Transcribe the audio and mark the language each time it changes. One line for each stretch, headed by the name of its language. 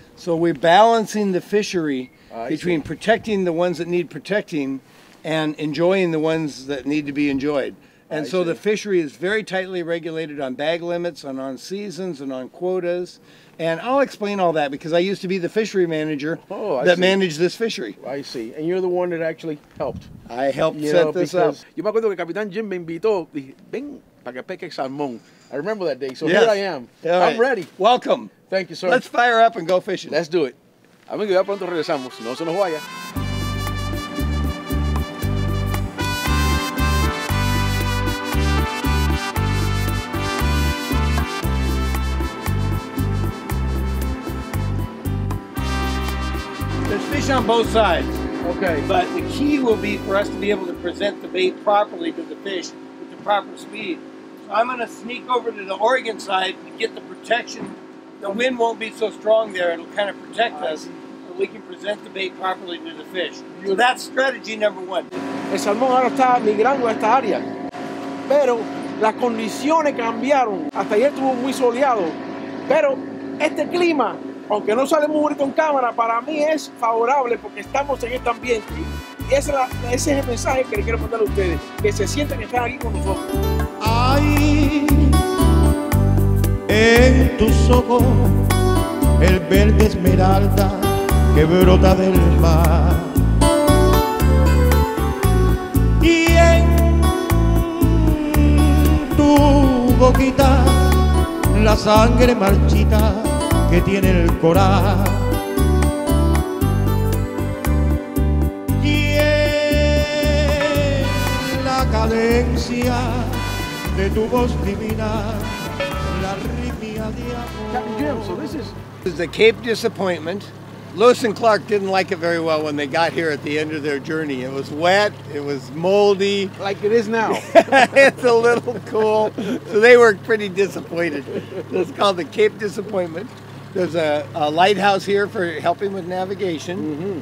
English: So we're balancing the fishery between protecting the ones that need protecting and enjoying the ones that need to be enjoyed. And I so see. The fishery is very tightly regulated on bag limits and on seasons and on quotas. And I'll explain all that because I used to be the fishery manager managed this fishery. I see. And you're the one that actually helped. I helped set this up.
Spanish: Yo me acuerdo que Capitán Jim me invitó, dije, ven para que peque salmón.
English: I remember that day. So yes. Here I am. Right. I'm ready. Welcome. Thank you, sir. Let's fire up and go fishing. Let's do it.
Spanish: Amigo, ya pronto regresamos. No se nos vaya.
English: On both sides. Okay. But the key will be for us to be able to present the bait properly to the fish with the proper speed. So I'm going to sneak over to the Oregon side to get the protection. The wind won't be so strong there. It'll kind of protect us, and we can present the bait properly to the fish. So that's strategy number one.
Spanish: El salmón ahora está migrando a esta área. Pero las condiciones cambiaron. Hasta ayer estuvo muy soleado. Pero este clima, aunque no sale muy bonito en cámara, para mí es favorable porque estamos en este ambiente. Y ese es el mensaje que le quiero mandar a ustedes, que se sientan que están aquí con nosotros. Ahí, en tus ojos, el verde esmeralda que brota del mar. Y en tu boquita, la sangre marchita que tiene el coral. Y en la cadencia de tu voz divina, la rítmica de amor.
English: Captain Jim, so this is the Cape Disappointment. Lewis and Clark didn't like it very well when they got here at the end of their journey. It was wet, it was moldy. Like it is now. It's a little cool. So they were pretty disappointed. It's called the Cape Disappointment. There's a lighthouse here for helping with navigation.